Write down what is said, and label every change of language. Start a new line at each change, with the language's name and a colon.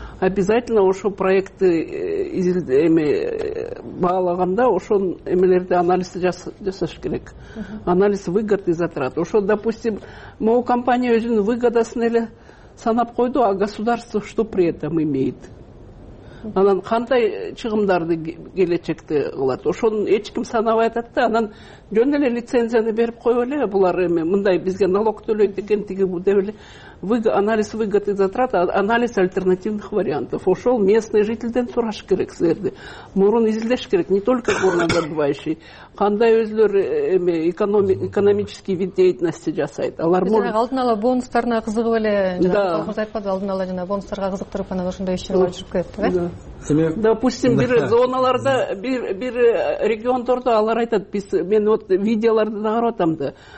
Kyrgyz: Обязательно ошо проектти эми баалаганда ошон эмелерди анализ жасаш керек.
Russian: Анализ выгод и затрат.
Kyrgyz: Ошо,
Russian: допустим,
Kyrgyz: моу компания өзүнүн выгодасын эле санап койду,
Russian: а государство что при этом имеет?
Kyrgyz: Анан кандай чыгымдарды келечекте кылат? Ошону эч ким санабай атат да, анан жөн эле лицензияны берип коюп эле булар эми мындай бизге налог төлөйт экен тиги деп эле
Russian: анализ выгод и затрат, анализ альтернативных вариантов.
Kyrgyz: Ошол местный жительден сураш керек силерди. Мурун изилдеш керек,
Russian: не только горнодобывающий.
Kyrgyz: Кандай өзлөрү эми
Russian: экономический вид деятельности
Kyrgyz: жасайт. Алар мурун алдын ала бонустарына кызыгып эле жанагы айтпадыбы, алдын ала жанагы бонустарга кызыктырып анан ошондой иштерге жүрүп кетиптир, э? Эми
Russian: допустим,
Kyrgyz: бир зоналарда бир региондордо алар айтат, биз мен
Russian: вот
Kyrgyz: видеоларды да карап атам да.